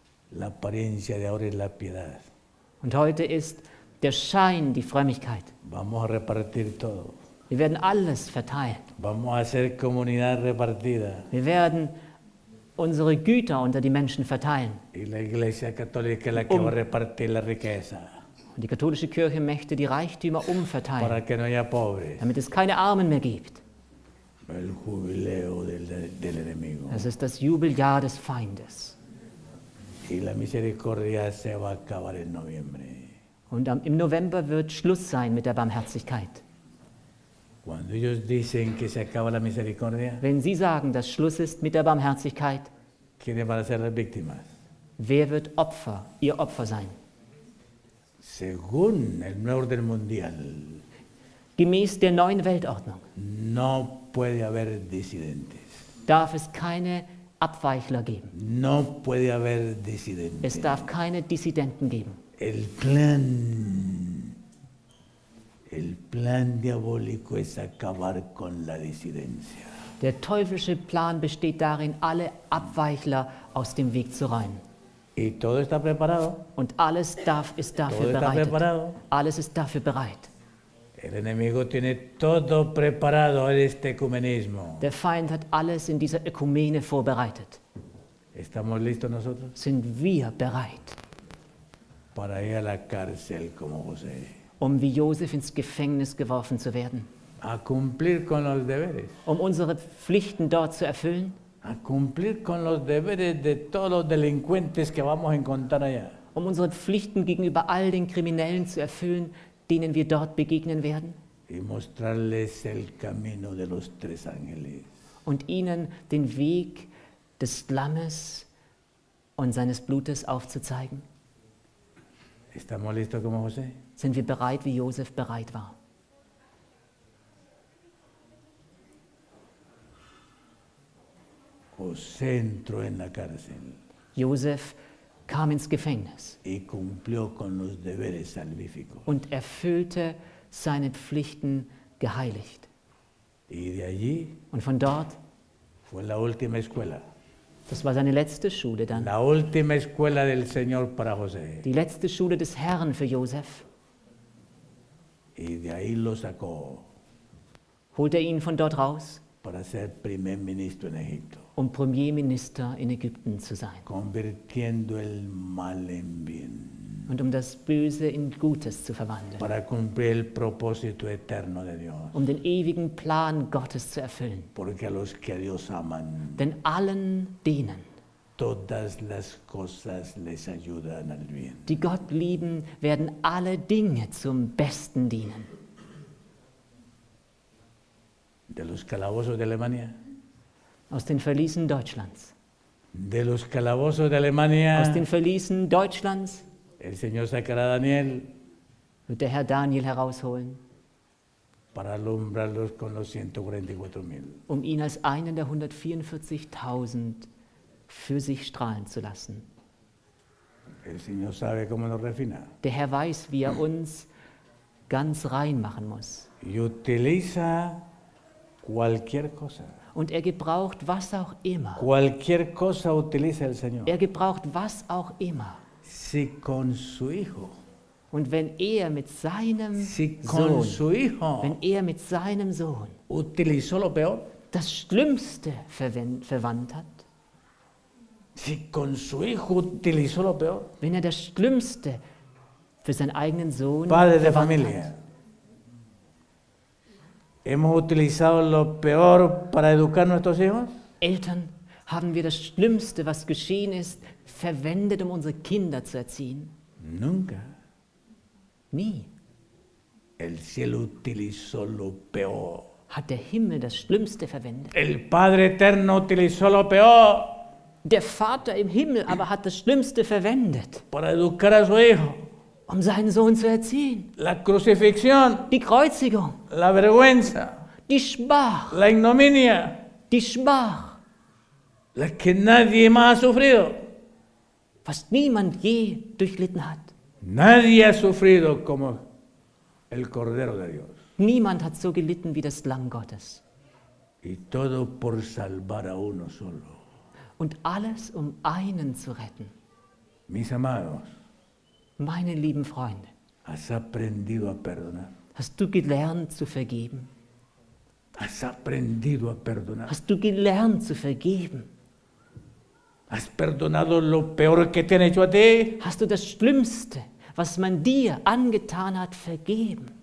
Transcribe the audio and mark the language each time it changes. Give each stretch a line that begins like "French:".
Spanish: La apariencia de ahora es la piedad.
German: Und heute ist der Schein die Frömmigkeit.
Spanish: Vamos a repartir todo.
German: Wir werden alles verteilen.
Spanish: Vamos a hacer comunidad repartida.
German: Wir werden unsere Güter unter die Menschen verteilen.
Spanish: Y la Iglesia Católica es la que va a repartir la riqueza.
German: Und die katholische Kirche möchte die Reichtümer umverteilen,
Spanish: para que no haya pobres,
German: damit es keine Armen mehr gibt.
Spanish: El jubileo del enemigo.
German: Das ist das Jubeljahr des Feindes.
Spanish: Y la misericordia se va a acabar en noviembre.
German: Und im November wird Schluss sein mit der Barmherzigkeit.
Spanish: Cuando ellos dicen que se acaba la misericordia,
German: wenn sie sagen, dass Schluss ist mit der Barmherzigkeit,
Spanish: ¿quiénes van a ser las víctimas?
German: Wer wird Opfer, ihr Opfer sein?
Spanish: Según el nuevo orden mundial,
German: gemäß der neuen Weltordnung,
Spanish: no puede haber disidentes.
German: Darf es keine Abweichler geben.
Spanish: No puede haber disidentes.
German: Es darf keine Dissidenten geben.
Spanish: El plan diabólico es acabar con la disidencia.
German: Der teuflische Plan besteht darin, alle Abweichler aus dem Weg zu räumen.
Spanish: Y todo está preparado.
German: Und alles ist dafür bereit. Alles ist dafür bereit.
Spanish: El enemigo tiene todo preparado en este ecumenismo.
German: Der Feind hat alles in dieser Ökumene vorbereitet.
Spanish: Estamos listos nosotros?
German: Sind wir bereit?
Spanish: Para ir a la cárcel como José.
German: Um wie Josef ins Gefängnis geworfen zu werden.
Spanish: A cumplir con los deberes.
German: Um unsere Pflichten dort zu erfüllen.
Spanish: A cumplir con los deberes de todos los delincuentes que vamos a encontrar allá.
German: Um unsere Pflichten gegenüber all den Kriminellen zu erfüllen, denen wir dort begegnen werden.
Spanish: Y mostrarles el camino de los tres ángeles.
German: Und ihnen den Weg des Lammes und seines Blutes aufzuzeigen.
Spanish: Estamos listos como José?
German: Sind wir bereit, wie Josef bereit war?
Spanish: José entró en la cárcel.
German: Josef kam ins Gefängnis.
Spanish: Y cumplió con los deberes salvíficos.
German: Und erfüllte seine Pflichten geheiligt.
Spanish: Y de allí,
German: und von dort
Spanish: fue la última escuela.
German: Das war seine letzte Schule dann.
Spanish: La última escuela del Señor para José.
German: Die letzte Schule des Herrn für Josef.
Spanish: Y de ahí lo sacó.
German: Holte ihn von dort raus.
Spanish: Para ser primer ministro en Egipto.
German: Um Premierminister in Ägypten zu sein.
Spanish: Convirtiendo el mal en bien.
German: Und um das Böse in Gutes zu verwandeln.
Spanish: Para cumplir el propósito eterno de Dios.
German: Um den ewigen Plan Gottes zu erfüllen.
Spanish: Porque a los que Dios aman,
German: denn allen denen,
Spanish: todas las cosas les ayudan al bien.
German: Die Gott lieben, werden alle Dinge zum Besten dienen.
Spanish: De los calabozos de Alemania.
German: Aus den Verliesen Deutschlands.
Spanish: De los calabozos de Alemania.
German: Aus den Verliesen Deutschlands.
Spanish: El Señor sacará a Daniel.
German: Wird der Herr Daniel herausholen.
Spanish: Para alumbrarlos con los 144,000.
German: Um ihn als einen der 144,000 für sich strahlen zu lassen.
Spanish: El Señor sabe cómo nos refina.
German: Der Herr weiß, wie er uns ganz rein machen muss.
Spanish: Y utiliza cualquier cosa.
German: Und er gebraucht was auch immer.
Spanish: Cualquier cosa utiliza el Señor.
German: Er gebraucht was auch immer.
Spanish: Si con su hijo.
German: Und wenn er mit seinem
Spanish: si con su hijo.
German: Wenn er mit seinem Sohn
Spanish: utilizó lo peor.
German: Das Schlimmste verwandt hat.
Spanish: Si con su hijo utilizó lo peor.
German: Wenn er das Schlimmste für seinen eigenen Sohn
Spanish: Padre de familia.
German: Hat.
Spanish: Hemos utilizado lo peor para educar nuestros hijos?
German: Eltern, haben wir das Schlimmste, was geschehen ist, verwendet, um unsere Kinder zu erziehen?
Spanish: Nunca.
German: Nie.
Spanish: El cielo utilizó lo peor.
German: Hat der Himmel das Schlimmste verwendet?
Spanish: El Padre Eterno utilizó lo peor.
German: Der Vater im Himmel aber hat das Schlimmste verwendet.
Spanish: Para educar a su hijo.
German: Um seinen Sohn zu erziehen.
Spanish: La crucifixión.
German: Die Kreuzigung.
Spanish: La vergüenza.
German: Die Schmach.
Spanish: La ignominia.
German: Die Schmach.
Spanish: La que nadie más ha sufrido.
German: Was niemand je durchlitten hat.
Spanish: Nadie ha sufrido como el Cordero de Dios.
German: Niemand hat so gelitten wie das Lamm Gottes.
Spanish: Y todo por salvar a uno solo.
German: Und alles um einen zu retten.
Spanish: Mis amados.
German: Meine lieben Freunde,
Spanish: has aprendido a perdonar.
German: Hast du gelernt zu vergeben?
Spanish: Has aprendido a perdonar.
German: Hast du gelernt zu vergeben?
Spanish: Has perdonado lo peor que te han hecho a ti?
German: Hast du das Schlimmste, was man dir angetan hat, vergeben?